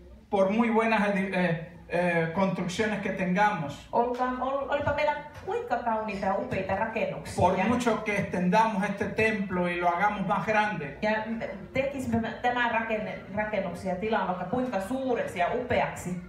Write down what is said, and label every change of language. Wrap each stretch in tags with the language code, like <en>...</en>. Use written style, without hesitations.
<es>Por muy buenas construcciones que tengamos.</es> <fi>Olipa meillä kuinka kauniita ja upeita rakennuksia.</fi> <es>Por mucho que extendamos este templo y lo hagamos más grande.</es> <fi>Ja tekisimme tämän rakennuksen ja tilan vaikka kuinka suureksi ja upeaksi.</fi>